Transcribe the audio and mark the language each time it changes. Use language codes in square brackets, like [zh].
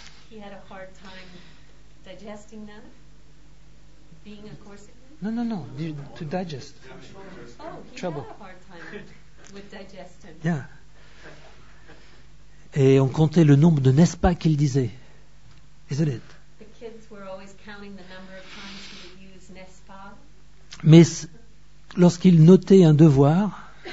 [en] He had a hard time digesting that, being a Corsican. [fr] Non. [en] To digest. Oh, he had a hard time with digestion. Yeah. [fr] Et on comptait le nombre de n'est-ce pas qu'il disait. [en] Isn't it? The kids were always counting the number of times he would use [fr] n'est-ce pas. Mais lorsqu'il notait un devoir,